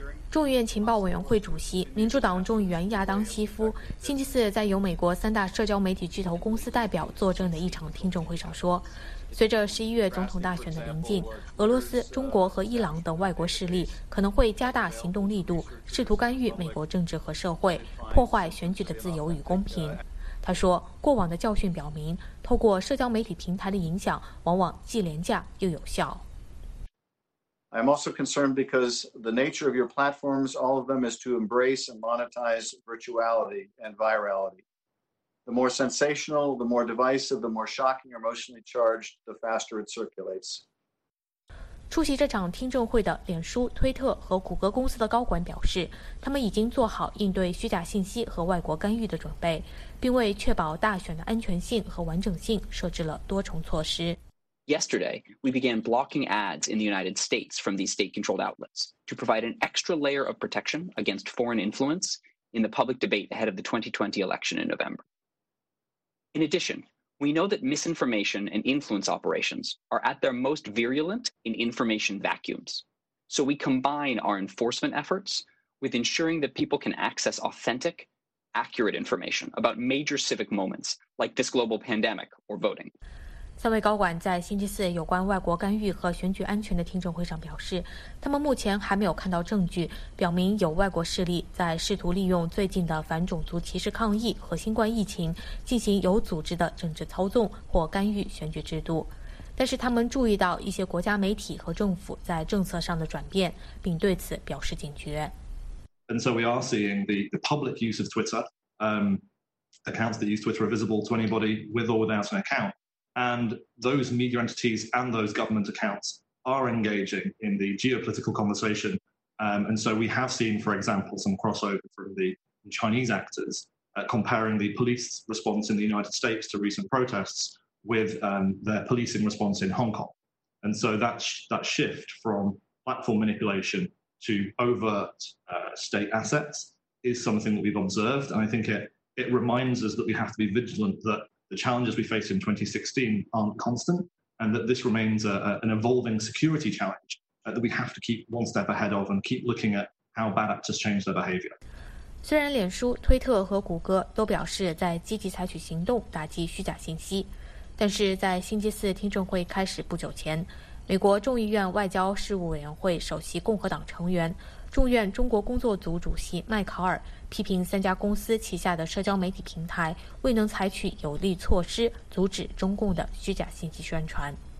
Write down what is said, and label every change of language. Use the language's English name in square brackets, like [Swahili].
[Chinese] 众议院情报委员会主席、民主党众议员亚当·西夫星期四在由美国三大社交媒体巨头公司代表作证的一场听证会上说，随着11月总统大选的临近，俄罗斯、中国和伊朗等外国势力可能会加大行动力度，试图干预美国政治和社会，破坏选举的自由与公平。他说，过往的教训表明，透过社交媒体平台的影响往往既廉价又有效。 [English] I'm also concerned because the nature of your platforms, all of them, is to embrace and monetize virtuality and virality. The more sensational, the more divisive, the more shocking or emotionally charged, the faster it circulates. [Chinese] 出席这场听证会的脸书、推特和谷歌公司的高管表示，他们已经做好应对虚假信息和外国干预的准备，并为确保大选的安全性和完整性设置了多重措施。 [English] Yesterday, we began blocking ads in the United States from these state-controlled outlets to provide an extra layer of protection against foreign influence in the public debate ahead of the 2020 election in November. In addition, we know that misinformation and influence operations are at their most virulent in information vacuums. So we combine our enforcement efforts with ensuring that people can access authentic, accurate information about major civic moments like this global pandemic or voting. [Chinese] 三位高管在星期四有关外国干预和选举安全的听证会上表示，他们目前还没有看到证据表明有外国势力在试图利用最近的反种族歧视抗议和新冠疫情进行有组织的政治操纵或干预选举制度，但是他们注意到一些国家媒体和政府在政策上的转变，并对此表示警觉。 [English] And so we are seeing the public use of Twitter, accounts that use Twitter are visible to anybody with or without an accountAnd those media entities and those government accounts are engaging in the geopolitical conversation. And so we have seen, for example, some crossover from the Chinese actors, comparing the police response in the United States to recent protests with their policing response in Hong Kong. And so that shift from platform manipulation to overt state assets is something that we've observed. And I think it reminds us that we have to be vigilant thatThe challenges we faced in 2016 aren't constant, and that this remains an evolving security challenge that we have to keep one step ahead of and keep looking at how bad actors change their behavior. [Chinese] 虽然脸书、推特和谷歌都表示在积极采取行动打击虚假信息，但是在星期四听证会开始不久前，美国众议院外交事务委员会首席共和党成员、众院中国工作组主席麦考尔批评三家公司旗下的社交媒体平台未能采取有力措施阻止中共的虚假信息宣传。